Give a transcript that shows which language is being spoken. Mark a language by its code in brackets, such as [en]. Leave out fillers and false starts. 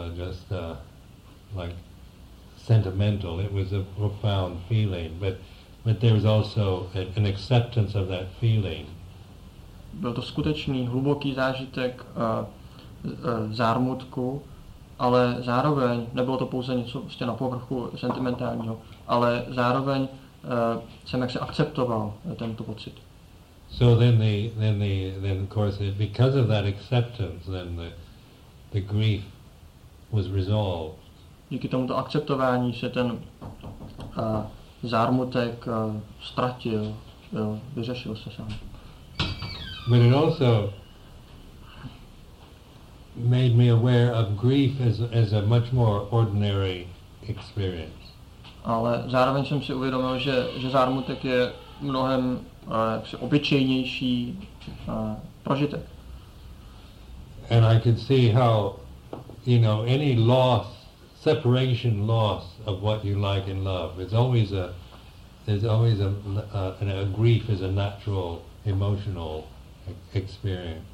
[en] It wasn't just like sentimental. It was a profound feeling. But there was also an acceptance of that feeling. [cs] Byl to skutečný hluboký zážitek zármutku, ale zároveň nebylo to pouze něco prostě na povrchu sentimentálního. Ale zároveň jsem jaksi akceptoval tento pocit. [en] So then of course because of that acceptance then the grief was resolved. [cs] Díky tomuto akceptování se ten zármutek ztratil, vyřešil se sám. [en] But it also made me aware of grief as a much more ordinary experience. [cs] Ale zároveň jsem si uvědomil, že zármutek je mnohem obyčejnější prožitek. [en] And I can see how, you know, any loss, separation loss of what you like and love, there's always a grief is a natural emotional experience.